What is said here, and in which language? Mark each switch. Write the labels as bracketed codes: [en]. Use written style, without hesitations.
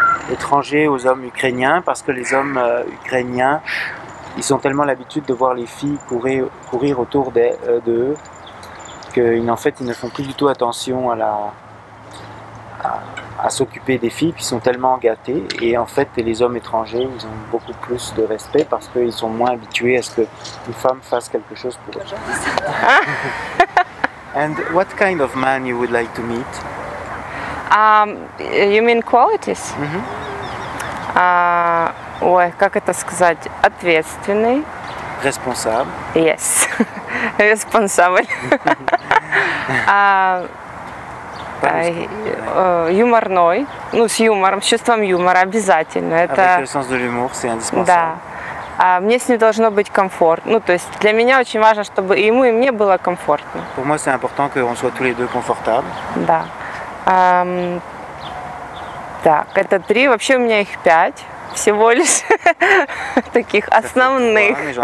[fr] étrangers aux hommes ukrainiens, parce que les hommes ukrainiens, ils ont tellement l'habitude de voir les filles courir autour d'eux qu'ils ne font plus du tout attention à s'occuper des filles, qui sont tellement gâtés. Et en fait, les hommes étrangers, ils ont beaucoup plus de respect parce qu'ils sont moins habitués à ce qu'une femme fasse quelque chose pour eux. [en] And what kind of man you would like to meet? You mean qualities? Mm-hmm. [ru] Ой, как это сказать? Ответственный. [fr] Responsable. [en] Yes. Responsable. [ru] юморной. Ну, с юмором, с чувством юмора обязательно. Это... [fr] Avec le sens de l'humour, c'est indispensable. [ru] Да. Мне с ним должно быть комфортно. Ну, то есть для меня очень важно, чтобы и ему, и мне было комфортно. [fr] Pour moi, c'est important que on soit tous les deux confortables. [ru] Да. Так, это три, вообще у меня их пять, всего лишь таких основных.